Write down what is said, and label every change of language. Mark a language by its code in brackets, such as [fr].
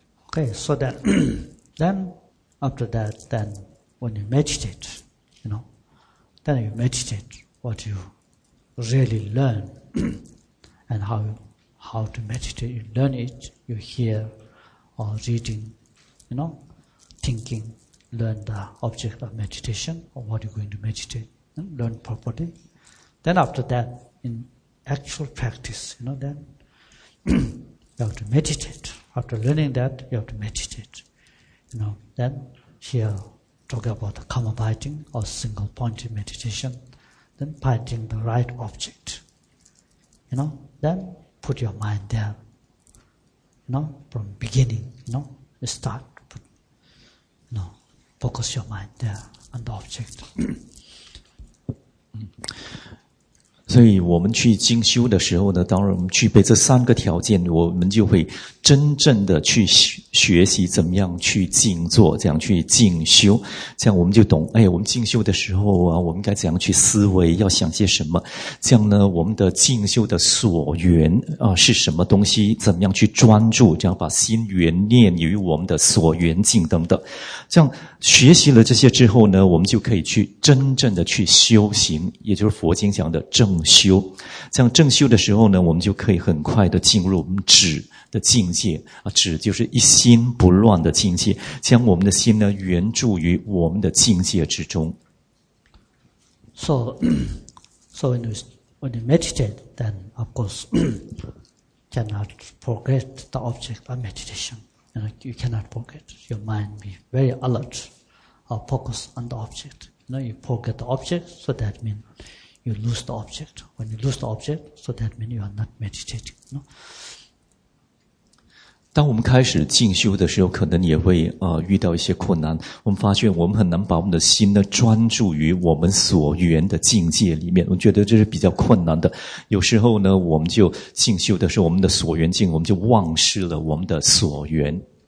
[en] Okay, so that then after that, then when you meditate, you know, then you meditate what you really learn. And how to meditate, you learn it, you hear or reading, you know, thinking, learn the object of meditation or what you're going to meditate, you know, learn properly. Then after that, in actual practice, you know, then you have to meditate. After learning that, you have to meditate. You know, then here, talk about the karma biting or single-pointed meditation, then biting the right object, you know. Then put your mind there, you know, from beginning, you know, you start, put, you know, focus your mind there on the object. [zh] 所以我们去进修的时候呢，当我们具备这三个条件，我们就会真正的去学习怎么样去静坐，怎样去进修，这样我们就懂，哎，我们进修的时候啊，我们应该怎样去思维，要想些什么，这样呢，我们的进修的所缘啊是什么东西，怎么样去专注，这样把心缘念于我们的所缘境等等，这样学习了这些之后呢，我们就可以去真正的去修行，也就是佛经讲的正修，这样正修的时候呢，我们就可以很快的进入我们止的境界，止就是一心不乱的境界，将我们的心呢圆住于我们的境界之中。 [en] So when you meditate, then of course cannot forget the object of meditation. You cannot forget. Your mind be very alert, focus on the object. You forget the object, so that means you lose the object. When you lose the object, so that means you are not meditating. No. [zh] 当我们开始进修的时候，可能也会遇到一些困难。我们发现我们很难把我们的心呢专注于我们所缘的境界里面。我觉得这是比较困难的。有时候呢，我们就进修的时候，我们的所缘境，我们就忘失了我们的所缘。